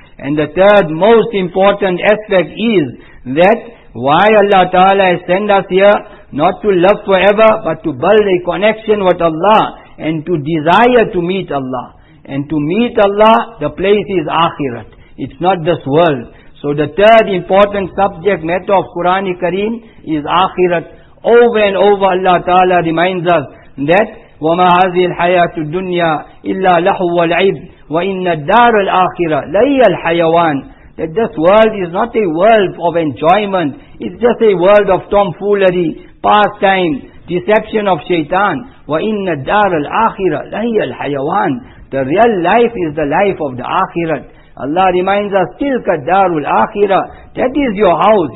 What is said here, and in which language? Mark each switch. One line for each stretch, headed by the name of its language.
English: And the third most important aspect is that why Allah Ta'ala has sent us here, not to love forever, but to build a connection with Allah and to desire to meet Allah. And to meet Allah, the place is Akhirat. It's not this world. So the third important subject matter of Qur'an-i Kareem is Akhirat. Over and over Allah Ta'ala reminds us that
Arabic: وَمَا هَذِي الْحَيَاةُ الدُّنْيَا إِلَّا لَحُوَ وَالْعِبْ وَإِنَّ الدَّارَ الْآخِرَةُ لَيَّ الْحَيَوَانِ.
English: That this world is not a world of enjoyment. It's just a world of tomfoolery, pastime, deception of shaitan.
Arabic: وَإِنَّ الدَّارَ الْآخِرَةُ لَيَّ الْحَيَوَانِ.
English: The real life is the life of the Akhirat. Allah reminds us,
Arabic: tilka darul akhirah.
English: That is your house.